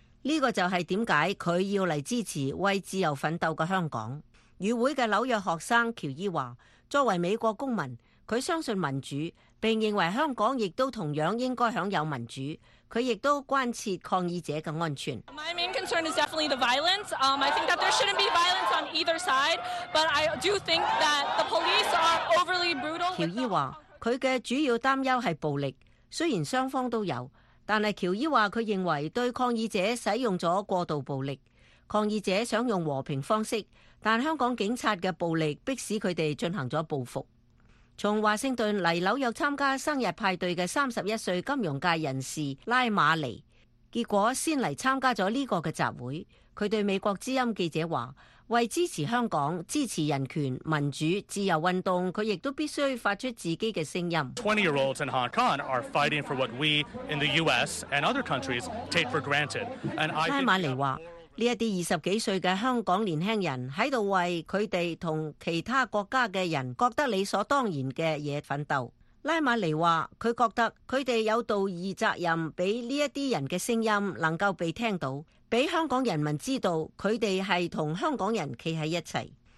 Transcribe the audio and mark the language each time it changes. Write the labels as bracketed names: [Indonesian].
[Chinese] 这个就是为什么他要来支持为自由奋斗的香港。与会的纽约学生乔伊说，作为美国公民，他相信民主，并认为香港亦都同样应该享有民主。他亦都关切抗议者的安全。 [English] My main concern is definitely the violence. I think that there shouldn't be violence on either side, but I do think that the police are overly brutal. [Chinese] 乔伊说，他的主要担忧是暴力，虽然双方都有，但是乔伊说他认为对抗议者使用了过度暴力。抗议者想用和平方式，但香港警察的暴力迫使他们进行了报复。从华盛顿来纽约参加生日派对的31岁金融界人士拉马尼，结果先来参加了这个集会。他对美国之音记者说，为支持香港、支持人权、民主、自由运动，他亦都必须发出自己的声音。 [English] 20-year-olds in Hong Kong are fighting for what we in the U.S. and other countries take for granted. [Chinese] 拉马尼说，这些二十几岁的香港年轻人在为他们和其他国家的人觉得理所当然的东西奋斗。拉马尼说，他觉得他们有道义责任给这些人的声音能够被听到，给香港人民知道他们是和香港人站在一起。